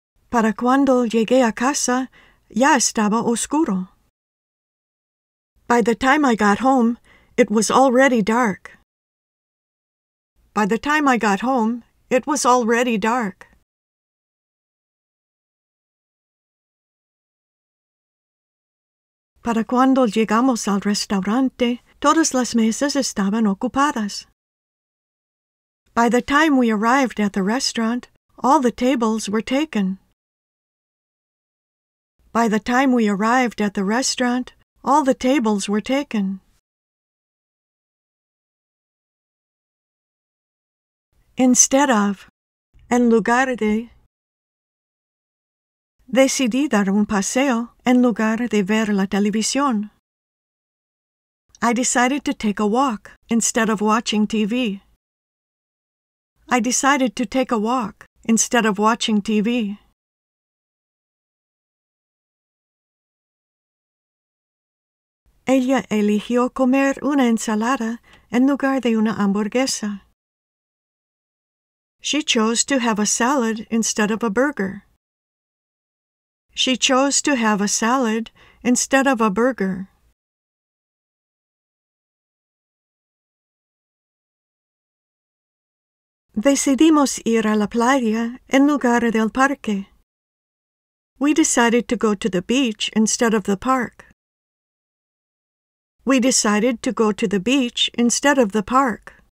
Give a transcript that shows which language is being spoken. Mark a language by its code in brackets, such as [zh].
[es] Para cuando llegué a casa, ya estaba oscuro. [en] By the time I got home, it was already dark. By the time I got home, it was already dark. [es] Para cuando llegamos al restaurante, todas las mesas estaban ocupadas. [en] By the time we arrived at the restaurant, all the tables were taken. By the time we arrived at the restaurant, all the tables were taken. Instead of, [es] en lugar de, decidí dar un paseo en lugar de ver la televisión. [en] I decided to take a walk instead of watching TV. I decided to take a walk instead of watching TV. [es] Ella eligió comer una ensalada en lugar de una hamburguesa. [en] She chose to have a salad instead of a burger. She chose to have a salad instead of a burger. [es] Decidimos ir a la playa en lugar del parque. [en] We decided to go to the beach instead of the park. We decided to go to the beach instead of the park.